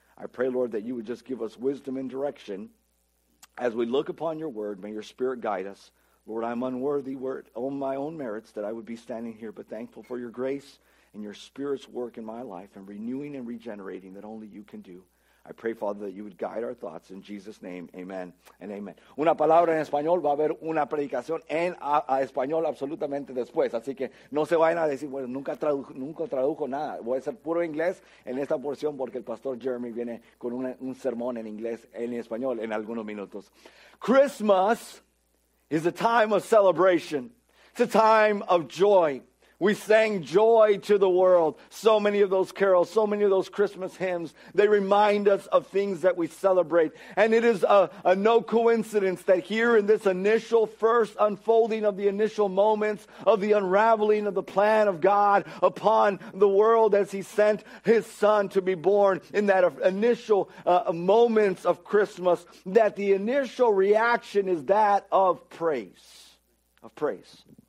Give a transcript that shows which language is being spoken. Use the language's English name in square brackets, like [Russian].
[English] I pray, Lord, that You would just give us wisdom and direction as we look upon Your word. May Your spirit guide us. Lord, I'm unworthy, were it on my own merits, that I would be standing here, but thankful for Your grace and Your spirit's work in my life and renewing and regenerating that only You can do. I pray, Father, that you would guide our thoughts. In Jesus' name, amen and amen. [Spanish] Una palabra en español, va a haber una predicación en español absolutamente después. Así que no se vayan a decir, bueno, nunca tradujo nada. Voy a ser puro inglés en esta porción porque el pastor Jeremy viene con un sermón en inglés, en español, en algunos minutos. [English] Christmas is a time of celebration. It's a time of joy. We sang joy to the world. So many of those carols, so many of those Christmas hymns, they remind us of things that we celebrate. And it is a no coincidence that here in this initial first unfolding of the initial moments of the unraveling of the plan of God upon the world as he sent his son to be born in that initial moments of Christmas, that the initial reaction is that of praise, of praise.